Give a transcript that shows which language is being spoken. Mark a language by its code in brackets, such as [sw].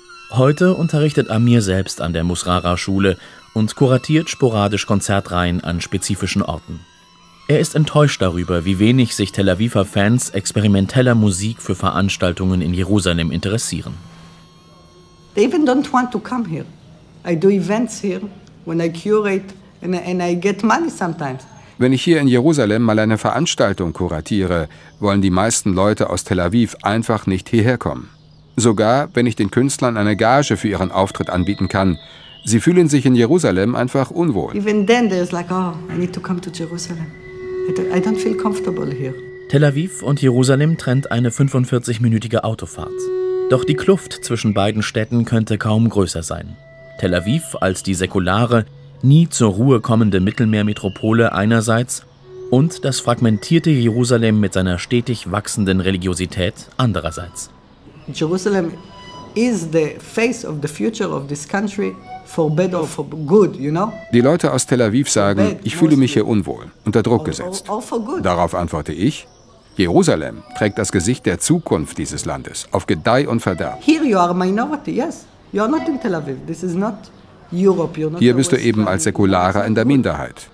[de] Heute unterrichtet Amir selbst an der Musrara-Schule und kuratiert sporadisch Konzertreihen an spezifischen Orten. Er ist enttäuscht darüber, wie wenig sich Tel Aviver Fans experimenteller Musik für Veranstaltungen in Jerusalem interessieren. [en] They even don't want to come here. I do events here when I curate and I get money sometimes. [de] Wenn ich hier in Jerusalem mal eine Veranstaltung kuratiere, wollen die meisten Leute aus Tel Aviv einfach nicht hierher kommen. Sogar, wenn ich den Künstlern eine Gage für ihren Auftritt anbieten kann. Sie fühlen sich in Jerusalem einfach unwohl. [en] Even then there's like, oh, I need to come to Jerusalem. I don't feel comfortable here. [de] Tel Aviv und Jerusalem trennt eine 45-minütige Autofahrt. Doch die Kluft zwischen beiden Städten könnte kaum größer sein. Tel Aviv als die säkulare, nie zur Ruhe kommende Mittelmeermetropole einerseits und das fragmentierte Jerusalem mit seiner stetig wachsenden Religiosität andererseits. [en] Jerusalem is the face of the future of this country for bad or for good, you know? [de] Die Leute aus Tel Aviv sagen, ich fühle mich hier unwohl, unter Druck gesetzt. Darauf antworte ich, Jerusalem trägt das Gesicht der Zukunft dieses Landes auf Gedeih und Verderb. [en] Here you are a minority, yes. You are not in Tel Aviv. This is not Europe. You're not. [de] Hier bist du eben als Säkularer in der Minderheit.